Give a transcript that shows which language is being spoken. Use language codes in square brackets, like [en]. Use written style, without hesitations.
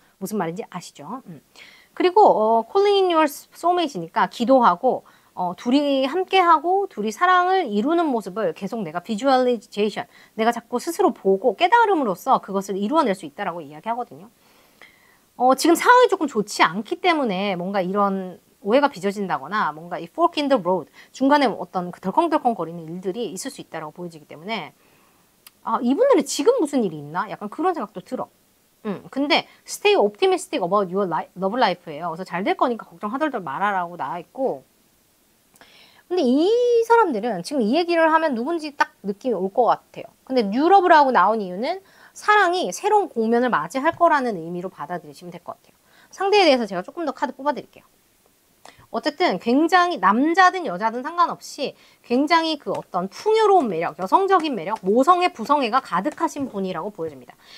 [ko] 무슨 말인지 아시죠? 그리고 [en] calling in your soulmate [ko] 이니까 기도하고 둘이 함께하고 둘이 사랑을 이루는 모습을 계속 내가 비주얼리제이션, 내가 자꾸 스스로 보고 깨달음으로써 그것을 이루어낼 수 있다라고 이야기하거든요. 지금 상황이 조금 좋지 않기 때문에 뭔가 이런 오해가 빚어진다거나 뭔가 이 [en] fork in the road, [ko] 중간에 어떤 그 덜컹덜컹 거리는 일들이 있을 수 있다라고 보여지기 때문에 이분들은 지금 무슨 일이 있나? 약간 그런 생각도 들어. [en] 근데 stay optimistic about your love life예요. [ko] 그래서 잘 될 거니까 걱정하덜덜 말하라고 나와 있고 근데 이 사람들은 지금 이 얘기를 하면 누군지 딱 느낌이 올 것 같아요. 근데 [en] new love [ko] 라고 나온 이유는 사랑이 새로운 공면을 맞이할 거라는 의미로 받아들이시면 될 것 같아요. 상대에 대해서 제가 조금 더 카드 뽑아드릴게요. 어쨌든 굉장히 남자든 여자든 상관없이 굉장히 그 어떤 풍요로운 매력, 여성적인 매력, 모성애, 부성애가 가득하신 분이라고 보여집니다.